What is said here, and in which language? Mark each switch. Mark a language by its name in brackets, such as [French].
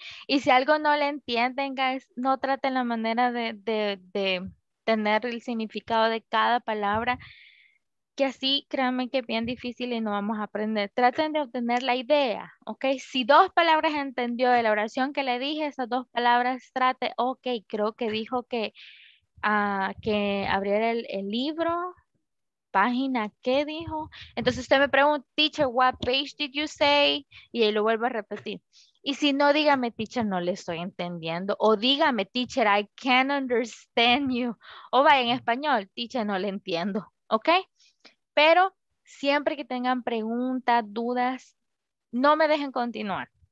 [Spanish] Y si algo no le entienden, guys, no traten la manera de tener el significado de cada palabra, que así, créanme que es bien difícil y no vamos a aprender. Traten de obtener la idea, ¿ok? Si dos palabras entendió de la oración que le dije, esas dos palabras trate, ok, creo que dijo que abriera el libro, página, ¿qué dijo? Entonces usted me pregunta, teacher, [English] what page did you say? [Spanish] Y ahí lo vuelvo a repetir. Y si no, dígame, teacher, no le estoy entendiendo. O dígame, teacher, [English] I can't understand you. [Spanish] O vaya en español, teacher, no le entiendo. ¿Ok? Pero siempre que tengan preguntas, dudas, no me dejen continuar.